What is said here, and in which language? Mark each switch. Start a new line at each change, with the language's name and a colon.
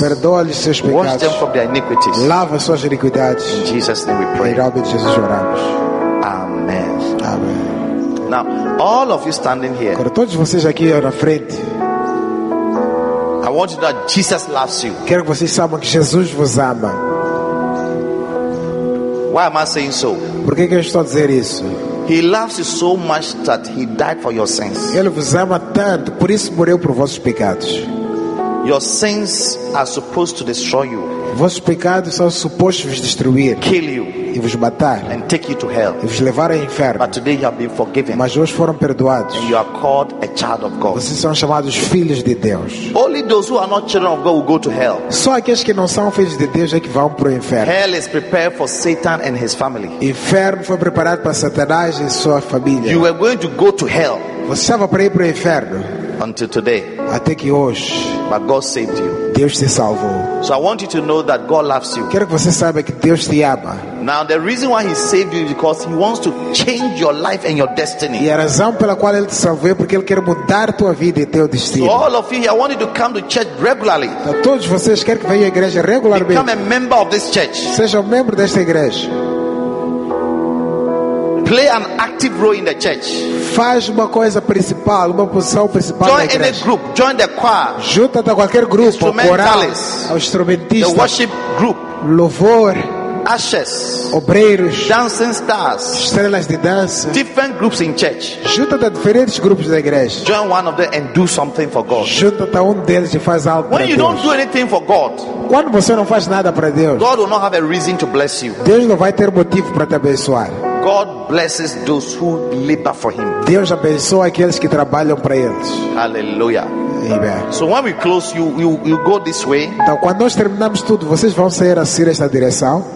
Portuguese: Perdoa-lhes seus pecados.
English: Wash them from their iniquities.
Portuguese: Lava suas iniquidades.
English: In Jesus' name we pray.
Portuguese: Em nome de Jesus oramos. Amen. Amen.
English: Now, all of you standing here.
Portuguese: Agora, todos vocês aqui na frente.
English: I want you to know that Jesus loves you.
Portuguese: Quero que vocês saibam que Jesus vos ama.
English: Why am I saying so?
Portuguese: Por que eu estou a dizer isso?
English: He loves you so much that he died for your sins.
Portuguese: Ele vos ama tanto, por isso morreu por vossos pecados.
English: Your sins are supposed to destroy you.
Portuguese: Vossos pecados são supostos vos destruir.
English: Kill you.
Portuguese: E vos matar.
English: And take you to hell.
Portuguese: E vos levar ao inferno.
English: But today you have been forgiven.
Portuguese: Mas hoje foram perdoados.
English: And you are called a child of God.
Portuguese: Vocês são chamados filhos de Deus.
English: Only those who are not children of God will go to hell.
Portuguese: Só aqueles que não são filhos de Deus é que vão para o inferno.
English: Hell is prepared for Satan and his family.
Portuguese: Inferno foi preparado para Satanás e sua família.
English: You are going to go to hell.
Portuguese: Você estava para ir para o inferno.
English: Until today.
Portuguese: Até que hoje.
English: But God saved you.
Portuguese: Deus te salvou.
English: So I want you to know that God loves you.
Portuguese: Quero que você saiba que Deus te ama.
English: Now the reason why he saved you is because he wants to change your life and your destiny.
Portuguese: E a razão pela qual ele te salvou é porque ele quer mudar tua vida e teu destino.
English: So all of you, I want you to come to church regularly.
Portuguese: Então, todos vocês querem que venham à igreja regularmente.
English: Become a member of this church.
Portuguese: Seja membro desta igreja.
English: Play an active role in the church.
Portuguese: Faz uma coisa principal, uma posição principal.
English: Join any group, join the choir.
Portuguese: Junta-te a qualquer grupo,
English: instrumentalists,
Portuguese: coral, instrumentista,
English: the worship group,
Portuguese: louvor,
English: ashes,
Portuguese: obreiros,
English: dancing stars,
Portuguese: estrelas de dança,
English: different groups in church.
Portuguese: Junta-te a diferentes grupos da igreja.
English: Join one of them and do something for God.
Portuguese: Junta-te a deles e faz algo
English: when
Portuguese: para
English: you
Portuguese: Deus.
English: Don't do anything for God,
Portuguese: quando você não faz nada para Deus,
English: God will not have a reason to bless you.
Portuguese: Deus não vai ter motivo para te abençoar.
English: God blesses those who labor for him.
Portuguese: Deus abençoa aqueles que trabalham para ele. Hallelujah. Amen.
English: So when we close, you go this way.
Portuguese: Então quando nós terminamos tudo, vocês vão sair assim nesta direção.